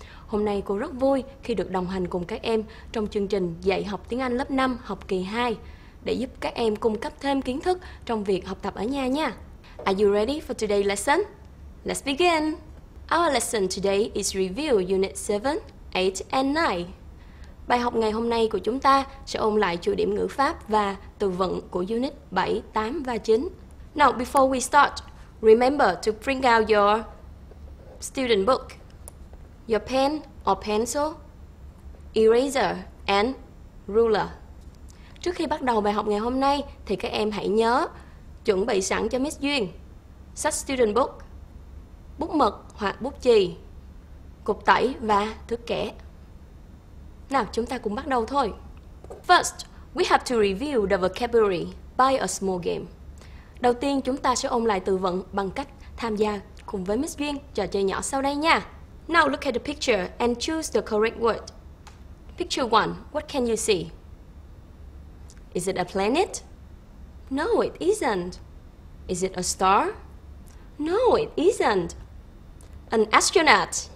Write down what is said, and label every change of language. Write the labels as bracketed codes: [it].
[vi] Hôm nay cô rất vui khi được đồng hành cùng các em trong chương trình dạy học tiếng Anh lớp 5, học kỳ 2, để giúp các em cung cấp thêm kiến thức trong việc học tập ở nhà nha. [en] Are you ready for today's lesson? Let's begin! Our lesson today is review Unit 7, 8 and 9. [vi] Bài học ngày hôm nay của chúng ta sẽ ôn lại chủ điểm ngữ pháp và từ vựng của Unit 7, 8 và 9. [en] Now, before we start, remember to bring out your student book, your pen or pencil, eraser and ruler. [vi] Trước khi bắt đầu bài học ngày hôm nay thì các em hãy nhớ chuẩn bị sẵn cho Miss Duyên sách student book, bút mực hoặc bút chì, cục tẩy và thước kẻ. Nào, chúng ta cùng bắt đầu thôi. [en] First, we have to review the vocabulary by a small game. [vi] Đầu tiên, chúng ta sẽ ôn lại từ vựng bằng cách tham gia cùng với Miss Duyên trò chơi nhỏ sau đây nha. [en] Now look at the picture and choose the correct word. Picture 1, what can you see? Is it a planet? No, it isn't. Is it a star? No, it isn't. An astronaut?